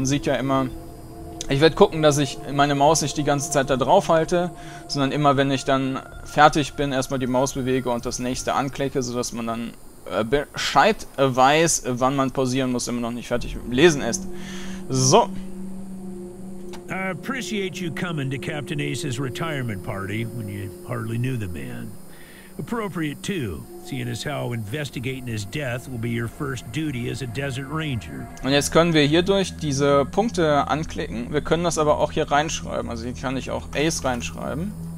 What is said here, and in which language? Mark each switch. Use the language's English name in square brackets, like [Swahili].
[German] Man sieht ja immer, ich werde gucken, dass ich meine Maus nicht die ganze Zeit da drauf halte, sondern immer, wenn ich dann fertig bin, erstmal die Maus bewege und das nächste anklicke, sodass man dann Bescheid weiß, wann man pausieren muss, wenn man noch nicht fertig mit dem Lesen ist. So. [English] I appreciate you coming to Captain Ace's retirement party when you hardly knew the man. Appropriate too, seeing as how investigating his death will be your first duty as a Desert Ranger. [German] Und jetzt können wir hierdurch diese Punkte anklicken. Wir können das aber auch hier reinschreiben. Also hier kann ich auch Ace reinschreiben.